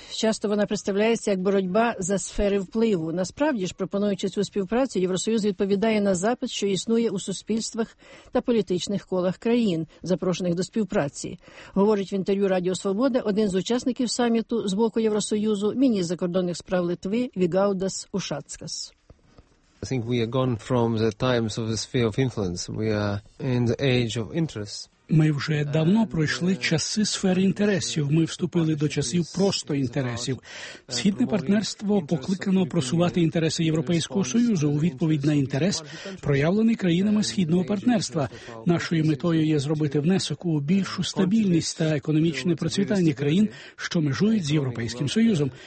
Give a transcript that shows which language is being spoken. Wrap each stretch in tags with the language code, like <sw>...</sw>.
<uk>Часто вона представляється як боротьба за сфери впливу. Насправді ж, пропонуючи цю співпрацю, Євросоюз відповідає на запит, що існує у суспільствах та політичних колах країн, запрошених до співпраці. Говорить в інтерв'ю Радіо Свобода один з учасників саміту з боку Євросоюзу, міністр закордонних справ Литви Вігаудас Ушацкас.</uk> <en>I think we are gone from the times of the sphere of influence. We are in the age of interest.</en> <uk>Ми вже давно пройшли часи сфери інтересів. Ми вступили до часів просто інтересів. Східне партнерство покликано просувати інтереси Європейського Союзу у відповідь на інтерес, проявлений країнами Східного партнерства. Нашою метою є зробити внесок у більшу стабільність та економічне процвітання країн, що межують з Європейським Союзом.</uk>